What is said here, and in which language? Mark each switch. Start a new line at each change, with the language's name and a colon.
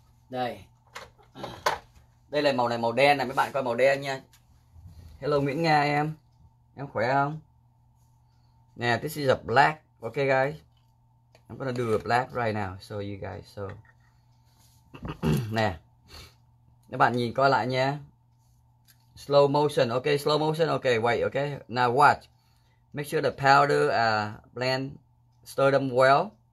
Vietnamese: Đây. Đây là màu này màu đen này mấy bạn coi màu đen nha. Hello Nguyễn Nga em. Em khỏe không?
English: Now this is a black, okay guys? I'm gonna do a black right now, show you guys, so.
Vietnamese: Nè, các bạn nhìn coi lại nha.
English: Slow motion, okay, slow motion, okay, wait, okay. Now watch. Make sure the powder blend, stir them well.